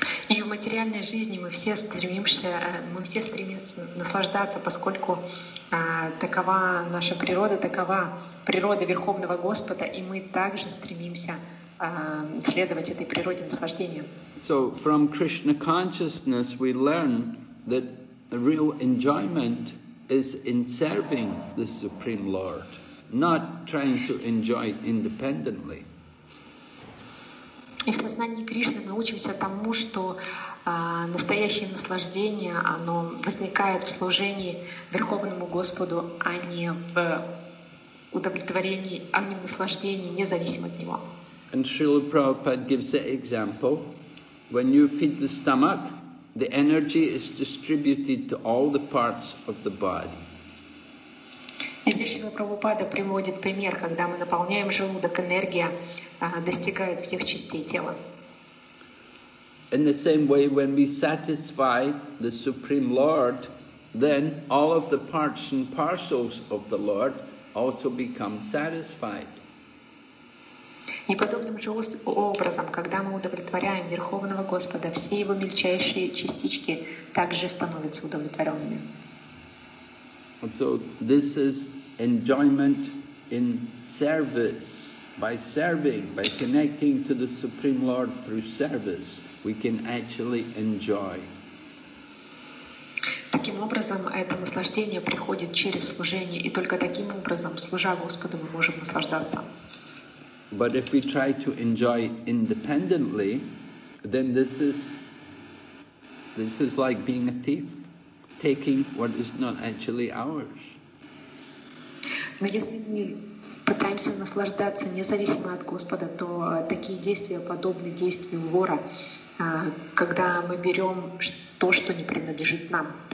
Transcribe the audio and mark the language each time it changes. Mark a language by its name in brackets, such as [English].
[Russian] И в материальной жизни мы все стремимся наслаждаться, поскольку такова наша природа, такова природа Верховного Господа, и мы также стремимся следовать этой природе наслаждения. [English] So from Krishna consciousness we learn that real enjoyment is in serving the Supreme Lord, not trying to enjoy independently. [Russian] Из сознания Кришны мы учимся тому, что настоящее наслаждение, оно возникает в служении Верховному Господу, а не в удовлетворении, а не в наслаждении, независимо от Него. [English] And Srila Prabhupada gives the example, when you feed the stomach, the energy is distributed to all the parts of the body. [Russian] И здесь Шрила Прабхупада приводит пример, когда мы наполняем желудок, энергия достигает всех частей тела. [English] In the same way, when we satisfy the Supreme Lord, then all of the parts and parcels of the Lord also become satisfied. [Russian] И подобным же образом, когда мы удовлетворяем Верховного Господа, все его мельчайшие частички также становятся удовлетворенными. [English] So this is enjoyment in service. By serving, by connecting to the Supreme Lord through service, we can actually enjoy. [Russian] Таким образом, это наслаждение приходит через служение, и только таким образом, служа Господу, мы можем наслаждаться. [English] But if we try to enjoy independently, then this is like being a thief, taking what is not actually ours. [Russian] Но если мы пытаемся наслаждаться независимо от Господа, то такие действия подобны действиям вора, когда мы берем то, что не принадлежит нам.